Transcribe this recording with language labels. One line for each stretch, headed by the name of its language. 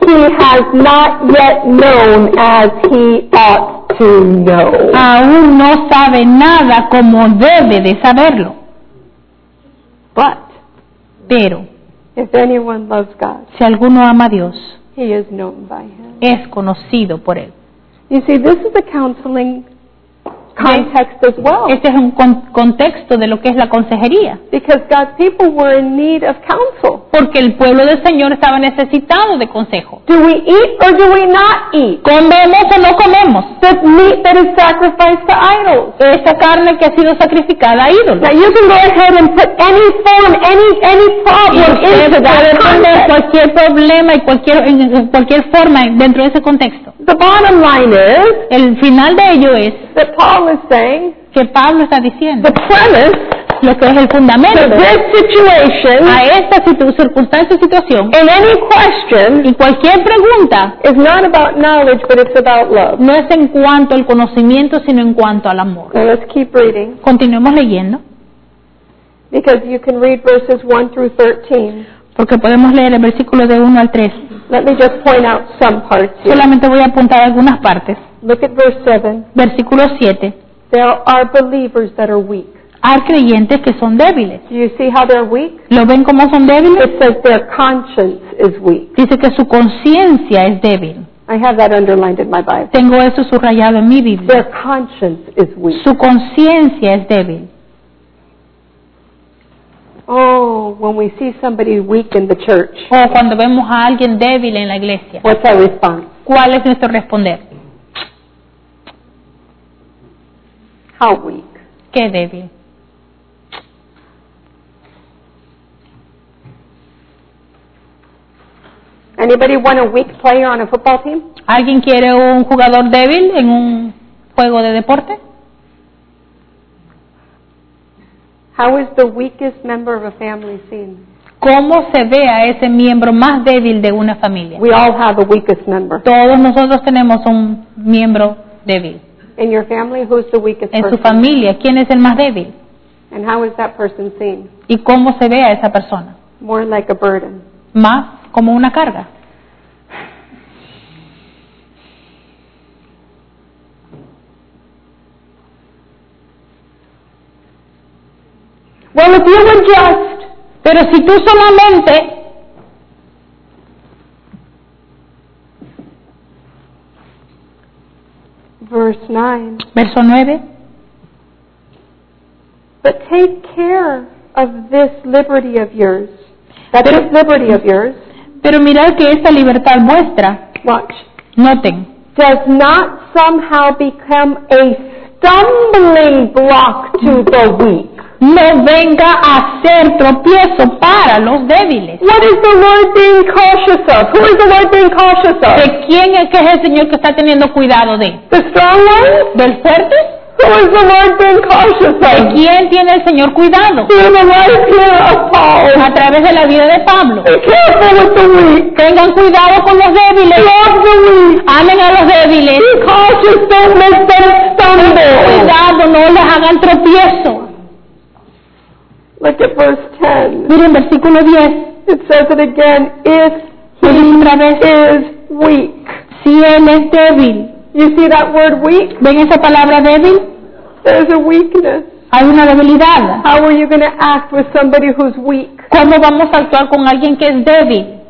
English: He has not yet known as he ought to know.
Spanish: Aún no sabe nada como debe de saberlo.
English: But,
Spanish: pero,
English: if anyone loves God,
Spanish: si alguno ama a Dios,
English: he is known by him.
Spanish: Es conocido por él.
English: You see, this is a counseling context as well.
Spanish: Este es un contexto de lo que es la consejería.
English: Because God's people were in need of counsel.
Spanish: Porque el pueblo del Señor estaba necesitado de consejo.
English: Do we eat or do we not eat?
Spanish: ¿Comemos o no comemos?
English: This meat that is sacrificed to idols.
Spanish: Esta carne que ha sido sacrificada a ídolos.
English: Now you can go ahead and put any form, any problem into that context.
Spanish: Cualquier problema y cualquier forma dentro de ese contexto.
English: The bottom line is.
Spanish: El final de ello es.
English: That Paul is saying.
Spanish: Que Pablo está diciendo.
English: The premise.
Spanish: Lo que es el fundamento.
English: To this situation.
Spanish: A esta circunstancia, situación.
English: In any question.
Spanish: Y cualquier pregunta.
English: Is not about knowledge, but it's about love.
Spanish: No es en cuanto al conocimiento, sino en cuanto al amor.
English: Now let's keep reading.
Spanish: Continuemos leyendo.
English: Because you can read verses 1 through 13.
Spanish: Porque podemos leer el versículo de 1 al 3.
English: Let me just point out some parts here.
Spanish: Solamente voy a apuntar algunas partes.
English: Look at verse 7.
Spanish: Versículo 7.
English: There are believers that are weak.
Spanish: Hay creyentes que son débiles.
English: Do you see how they're weak?
Spanish: ¿Lo ven como son débiles?
English: It says their conscience is weak.
Spanish: Dice que su conciencia es débil.
English: I have that underlined in my Bible.
Spanish: Tengo eso subrayado en mi Biblia.
English: Their conscience is weak.
Spanish: Su conciencia es débil.
English: Oh, when we see somebody weak in the church.
Spanish: O cuando vemos a alguien débil en la iglesia.
English: What's our response?
Spanish: ¿Cuál es nuestro responder?
English: How weak.
Spanish: Qué débil.
English: I Anybody want a weak player on a football team?
Spanish: ¿Alguien quiere un jugador débil en un juego de deporte?
English: How is the weakest member of a family seen?
Spanish: ¿Cómo se ve a ese miembro más débil de una familia?
English: We all have a weakest member.
Spanish: Todos nosotros tenemos un miembro débil.
English: In your family, who's the weakest person?
Spanish: En su familia, ¿quién es el más débil?
English: And how is that person seen?
Spanish: ¿Y cómo se ve a esa persona?
English: More like a burden.
Spanish: Más como una carga.
English: Well, if you were just,
Spanish: pero si tú solamente,
English: verse 9. But take care of this liberty of yours. That is liberty of yours.
Spanish: Pero mirad que esta libertad vuestra.
English: Watch.
Spanish: Noten.
English: Does not somehow become a stumbling block to the weak.
Spanish: No venga a ser tropiezo para los débiles.
English: What is the Lord being cautious of? Who is the Lord being cautious of?
Spanish: ¿De quién es que es el Señor que está teniendo cuidado de?
English: The strong one?
Spanish: ¿Del fuerte?
English: Who is the Lord being cautious of?
Spanish: ¿De quién tiene el Señor cuidado?
English: Through the life of Paul.
Spanish: A través de la vida de Pablo.
English: Careful with the weak.
Spanish: Tengan cuidado con los débiles.
English: Love the weak.
Spanish: Amen a los débiles.
English: Be cautious, don't make them stumble.
Spanish: Cuidado, no les hagan tropiezo.
English: Look at verse 10.
Spanish: Miren versículo 10.
English: It says it again. If he is weak.
Spanish: Si él es débil.
English: You see that word weak?
Spanish: ¿Ven esa palabra débil?
English: There's a weakness.
Spanish: Hay una debilidad.
English: How are you going to act with somebody who's weak?
Spanish: ¿Cómo vamos a actuar con alguien que es débil?